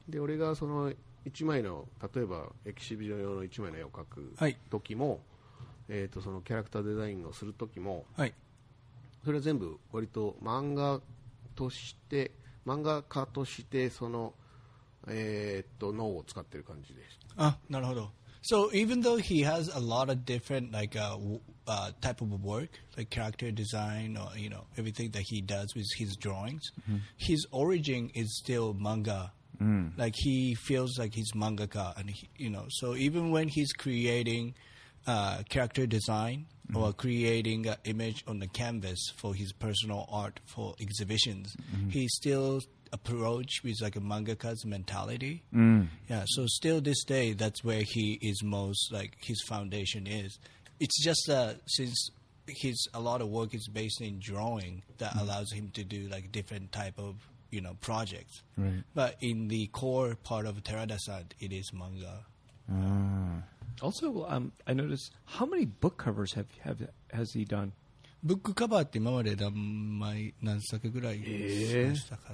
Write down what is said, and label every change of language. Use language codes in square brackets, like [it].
[ja] で俺がその1枚の例えばエキシビジョン用の1枚の絵を描く時も、はい、そのキャラクターデザインをする時も、はい、それは全部割と漫画として漫画家としてその脳を使ってる感じです。あ、なるほど。 [en] So even though he has a lot of different like type of work, like character design or you know everything that he does with his drawings, mm-hmm. his origin is still manga. Mm. Like he feels like he's mangaka, and he, you know, so even when he's creating character design mm-hmm. or creating an image on the canvas for his personal art for exhibitions, mm-hmm. he still approach with like a mangaka's mentality. Mm. Yeah, so still this day, that's where he is most like his foundation is. It's just that since his a lot of work is based in drawing, that allows him to do like different type of you know projects. Right. But in the core part of Terada-san, it is manga. Also, I noticed how many book covers has he done? [ja] ブックカバーって今まで何枚何作ぐらいしましたか